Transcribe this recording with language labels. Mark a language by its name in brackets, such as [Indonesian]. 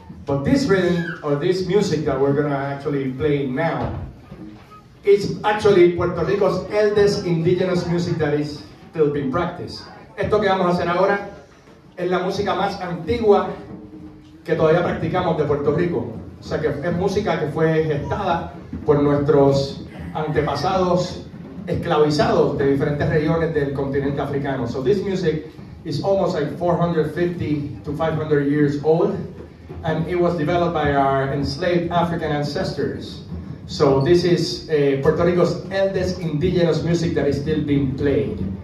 [English] But this rhythm, or this music that we're gonna actually play now, it's actually Puerto Rico's eldest indigenous music that is still being practiced. [Spanish] Esto que vamos a hacer ahora es la música más antigua que todavía practicamos de Puerto Rico. O sea, que es música que fue gestada por nuestros antepasados esclavizados de diferentes regiones del continente africano. [English] So this music is almost like 450 to 500 years old, and it was developed by our enslaved African ancestors. So this is Puerto Rico's eldest indigenous music that is still being played.